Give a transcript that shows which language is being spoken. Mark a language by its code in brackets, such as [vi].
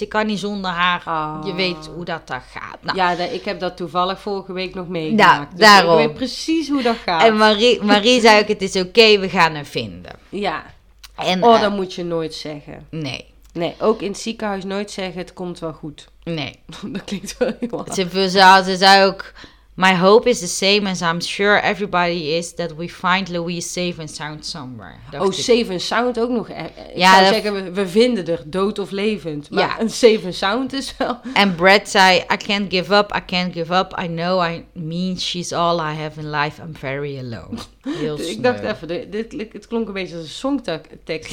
[nl] Ik kan niet zonder haar. Oh. Je weet hoe dat daar gaat. Nou, ja, ik heb dat toevallig vorige week nog meegemaakt. Nou, daarom. Dus ik weet precies hoe dat gaat. En Marie zei ook, het is oké. We gaan haar vinden. Ja. En, oh, dat moet je nooit zeggen. Nee. Nee, ook in het ziekenhuis nooit zeggen, het komt wel goed. Nee. Dat klinkt wel heel hard. Ze zei ook, [en] my hope is the same as I'm sure everybody is that we find Louise safe and sound somewhere. [nl] Dat oh, [en] safe and sound [nl] ook nog. Ik zou zeggen, we vinden er dood of levend. Maar ja. Een [en] safe and sound [nl] is wel. En Brad zei, [en] I can't give up. I know I mean she's all I have in life. I'm very alone. [nl] Ik dacht even, het klonk een beetje als een songtekst.